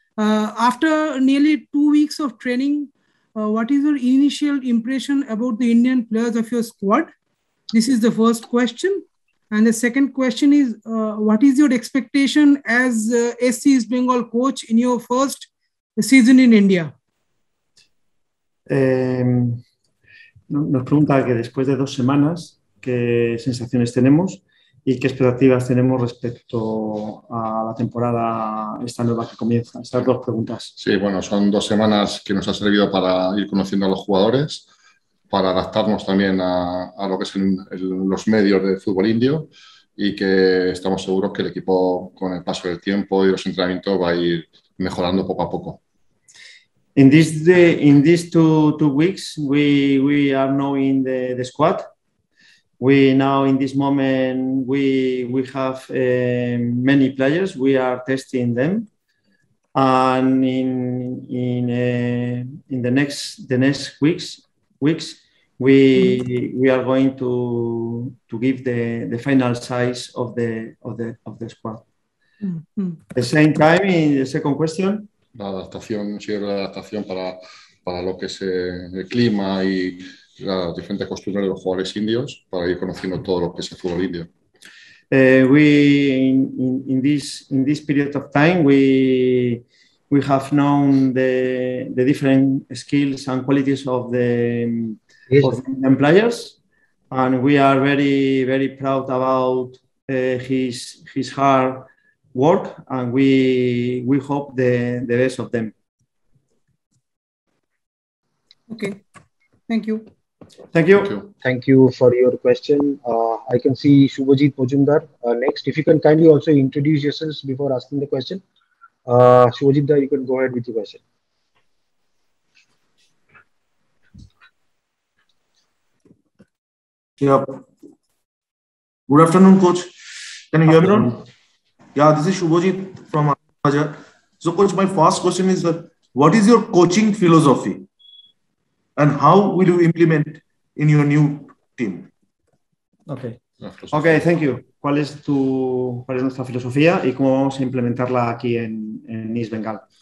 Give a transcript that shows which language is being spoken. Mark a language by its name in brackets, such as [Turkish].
[English] After nearly 2 weeks of training, what is your initial impression about the Indian players of your squad? This is the first question. And the second question is, what is your expectation as SC East Bengal coach in your first season in India? [Spanish] Nos pregunta que después de 2 semanas, ¿qué sensaciones tenemos y qué expectativas tenemos respecto a la temporada esta nueva que comienza? Estas dos preguntas. Sí, bueno, son 2 semanas que nos ha servido para ir conociendo a los jugadores, para adaptarnos también a lo que son los medios de fútbol indio, y que estamos seguros que el equipo, con el paso del tiempo y los entrenamientos, va a ir mejorando poco a poco. [English] In this day, in these two weeks, we are knowing the squad. We now in this moment we have many players. We are testing them, and in the next weeks we are going to give the final size of the squad. Mm-hmm. The same time in the second question. [Spanish] La adaptación, sí, la adaptación para lo que es el clima y las diferentes costumbres de los jugadores indios, para ir conociendo todo lo que es el fútbol indio. [English] In this period of time we have known the different skills and qualities of the Indian players, and we are very very proud about his heart work, and we hope the best of them. Okay, thank you. Thank you. Thank you for your question. I can see Subhajit Majumdar next. If you can kindly also introduce yourselves before asking the question. Subhajit, you can go ahead with your question. Yep. Good afternoon, coach. Can you hear me? Yeah, this is Subhajit from Azar. So, coach, my first question is, what is your coaching philosophy and how will you implement in your new team? Okay. Okay, thank you. [Spanish] ¿Cuál es nuestra filosofía y cómo vamos a implementarla aquí en East Bengal?